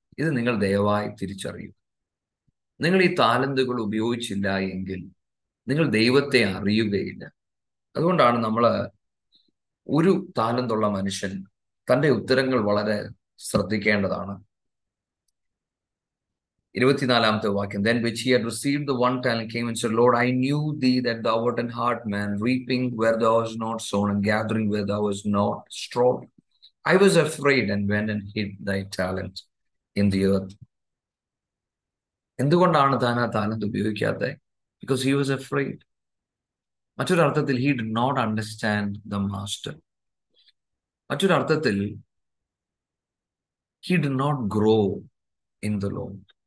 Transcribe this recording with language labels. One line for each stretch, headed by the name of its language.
Malayalam: ഇത് നിങ്ങൾ ദയവായി തിരിച്ചറിയൂ. നിങ്ങൾ ഈ താലന്തുകൾ ഉപയോഗിച്ചില്ല എങ്കിൽ നിങ്ങൾ ദൈവത്തെ അറിയുകയില്ല. അതുകൊണ്ടാണ് നമ്മൾ, ഒരു താലന്തുള്ള മനുഷ്യൻ തൻ്റെ ഉത്തരങ്ങൾ വളരെ ശ്രദ്ധിക്കേണ്ടതാണ്. 24-ാമത്തെ വാക്യം,
English: Then which he had received the one talent came and said, Lord, I knew thee that thou art an hard man, reaping where thou was not sown and gathering where thou was not strawed. I was afraid and went and hid thy talent in the earth.
Malayalam: എന്തുകൊണ്ടാണ് താൻ ആ talent ഉപയോഗിക്കാത്തത്?
English: Because he was afraid.
Malayalam: മറ്റൊരർത്ഥത്തിൽ,
English: He did not understand the master. മറ്റൊരർത്ഥത്തിൽ, he did not grow in the Lord.